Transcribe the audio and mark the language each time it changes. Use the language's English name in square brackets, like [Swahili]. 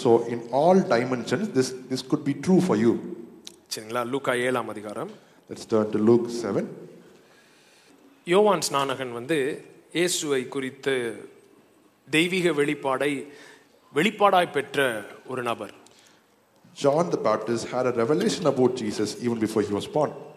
[English] So in all dimensions, this could be true for you. [Tamil] சரிங்களா? லூக்கா 7 அதிகாரம். [English] Let's turn to Luke 7. [Tamil] யோவான் ஸ்நானகன் வந்து இயேசுவை குறித்து தெய்வீக வெளிப்பாடாய் பெற்ற ஒரு நபர். [English] John the Baptist had a revelation about Jesus even before he was born.